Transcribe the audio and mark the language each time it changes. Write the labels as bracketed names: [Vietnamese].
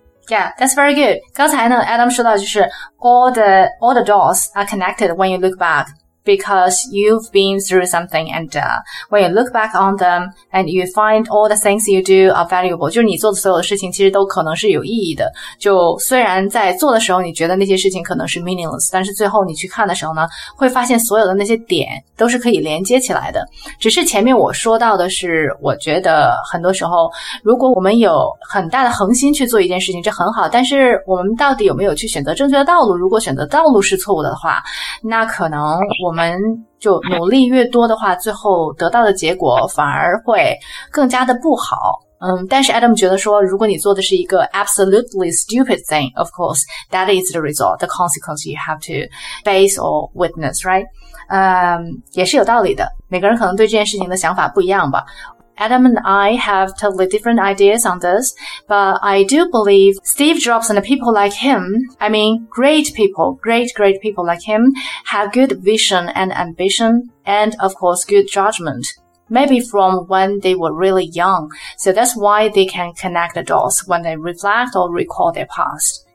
[English] Yeah, that's very good. [Chinese] 刚才呢 Adam 说到就是 [English] all the doors are connected when you look back. Because you've been through something and、when you look back on them and you find all the things you do are valuable, [Chinese] 就是你做的所有的事情其实都可能是有意义的。就虽然在做的时候你觉得那些事情可能是 meaningless, 但是最后你去看的时候呢会发现所有的那些点都是可以连接起来的。只是前面我说到的是我觉得很多时候如果我们有很大的恒心去做一件事情这很好，但是我们到底有没有去选择正确的道路，如果选择道路是错误的话，那可能我们就努力越多的话，最后得到的结果反而会更加的不好。嗯，但是 Adam 觉得说，如果你做的是一个 [English] absolutely stupid thing, of course, that is the result, the consequence you have to face or witness, right? [Chinese] 也是有道理的。每个人可能对这件事情的想法不一样吧。 [English] Adam and I have totally different ideas on this, but I do believe Steve Jobs and the people like him, I mean, great people, great, great people like him, have good vision and ambition, and of course, good judgment. maybe from when they were really young. So that's why they can connect the dots when they reflect or recall their past.